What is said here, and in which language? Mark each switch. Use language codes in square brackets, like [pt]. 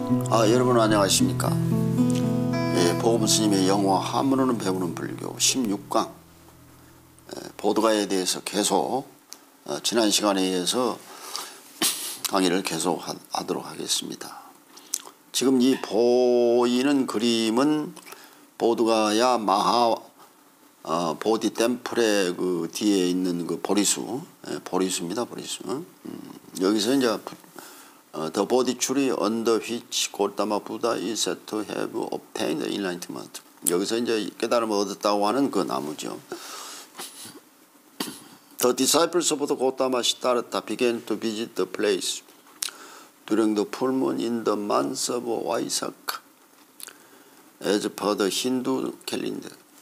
[ko] 아, 여러분 안녕하십니까. 예, 보금스님의 영어 함으로는 배우는 불교 16강 예, 보드가에 대해서 계속 지난 시간에 의해서 강의를 계속 하도록 하겠습니다. 지금 이 보이는 그림은 보드가야 마하 보디 템플의 그 뒤에 있는 그 보리수, 예, 보리수입니다. 보리수. 여기서 이제 [en] the body tree under which Gautama Buddha is said to have obtained enlightenment. [ko] 여기서 이제 깨달음을 얻었다고 하는 그 나무죠. [en] The disciples of the Gautama Siddhartha began to visit the place during the full moon in the month of Vaisak as per the Hindu calendar.